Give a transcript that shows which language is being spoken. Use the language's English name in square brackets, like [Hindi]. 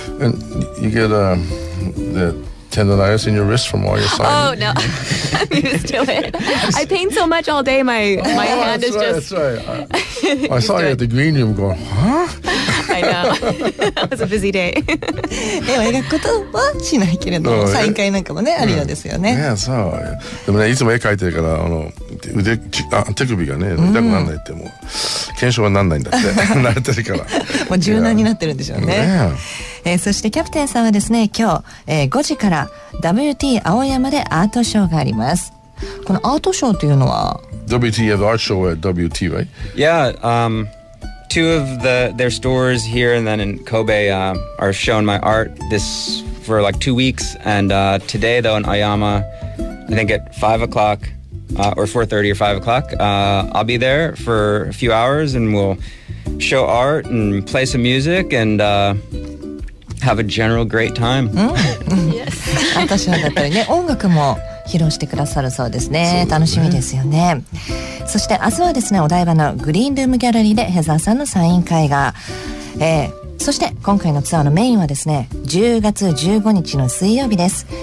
[English] And you get the tendonitis in your wrist from all your signing? Oh, no. I'm used to it. I paint so much all day, my hand that's right, just... That's right. I saw you at the green room going, huh? I know. It was a busy day. [Japanese] でも描くことはしないけれど、サイン会なんかもね、あるようですよね。 [English] Yeah, so... [Japanese] でもね、いつも絵描いてるから、手首がね、痛くならないって、もう、検証はならないんだって、慣れてるから。もう柔軟になってるんでしょうね。そしてキャプテンさんはですね、今日、5時から WT 青山でアートショーがあります。このアートショーというのは [English] WT have art show at WT, right? Yeah, two of their stores here and then in Kobe are showing my art this for like 2 weeks, and today though in Aoyama, I think at 5 o'clock or 4:30 or 5 o'clock, I'll be there for a few hours and we'll show art and play some music andHave a general great time. Yes. [Japanese] 私はだったりね、音楽も披露してくださるそうですね。楽しみですよね。そして明日はですね、お台場のグリーンルームギャラリーでヘザーさんのサイン会が、そして今回のツアーのメインはですね、10月15日の水曜日です。